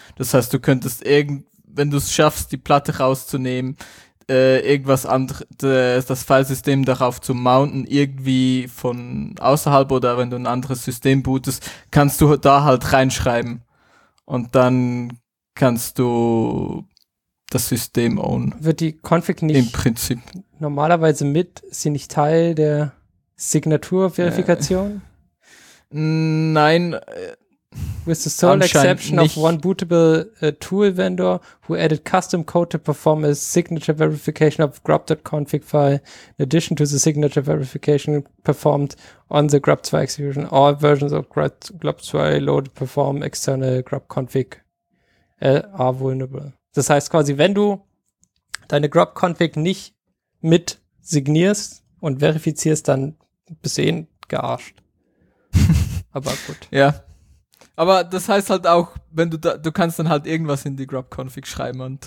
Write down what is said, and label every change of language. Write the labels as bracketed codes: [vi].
[de] Das heißt, du könntest wenn du es schaffst, die Platte rauszunehmen, irgendwas anderes, das Filesystem darauf zu mounten, irgendwie von außerhalb oder wenn du ein anderes System bootest, kannst du da halt reinschreiben. Und dann kannst du das System own. Wird die Config nicht im Prinzip normalerweise mit, ist sie nicht Teil der Signaturverifikation? Nein. [en] With the sole exception of one bootable tool vendor who added custom code to perform a signature verification of grub.config file in addition to the signature verification performed on the grub 2 execution, all versions of grub 2 load perform external grub config are vulnerable. [de] Das heißt quasi, wenn du deine grub config nicht mit signierst und verifizierst, dann bist du eh gearscht. Aber gut. Ja. Aber das heißt halt auch, wenn du kannst dann halt irgendwas in die Grub-Config schreiben und